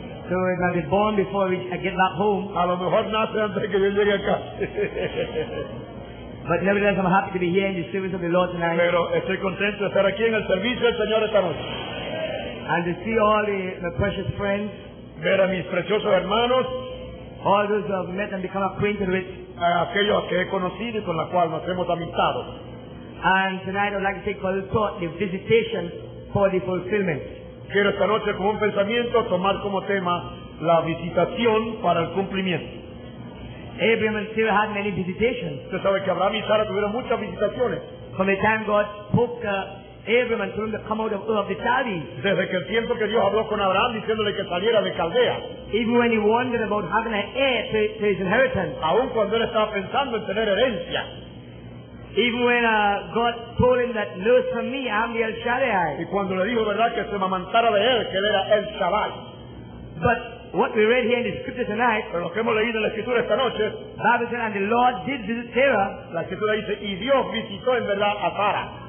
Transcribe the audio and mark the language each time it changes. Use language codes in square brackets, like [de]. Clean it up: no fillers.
[en] So it might be born before I get back home. [es] A lo mejor nace antes que yo llegue acá. [en] But nevertheless, I'm happy to be here in the service of the Lord tonight. [es] Pero estoy contento de estar aquí en el servicio del Señor esta noche. [en] And to see all my precious friends. [es] Ver a mis preciosos hermanos. [en] All those who have met and become acquainted with. [es] Aquellos que he conocido y con la cual nos hemos amistado. [en] And tonight I'd like to take for the thought the visitation for the fulfillment. [es] Quiero esta noche con un pensamiento tomar como tema la visitación para el cumplimiento. [en] Abraham and Sarah had many visitations. [es] Usted sabe que Abraham y Sara tuvieron muchas visitaciones. [en] From the time God spoke Abraham and told him to come out of Ur of the Chaldees. [es] Desde que el tiempo que Dios habló con Abraham diciéndole que saliera de Caldea. [en] Even when he wondered about having an heir to his inheritance. [es] Aún cuando él estaba pensando en tener herencia. [en] Even when God told him that nurse from me, I'm the El Shaddai. [es] Y cuando le dijo verdad que se mamantara de él, que él era El Shaddai. [en] But what we read here in the scripture tonight. [es] Pero lo que hemos leído en la escritura esta noche. [en] Bible said, and the Lord did visit Sarah. [es] La escritura dice, y Dios visitó en verdad a Sara.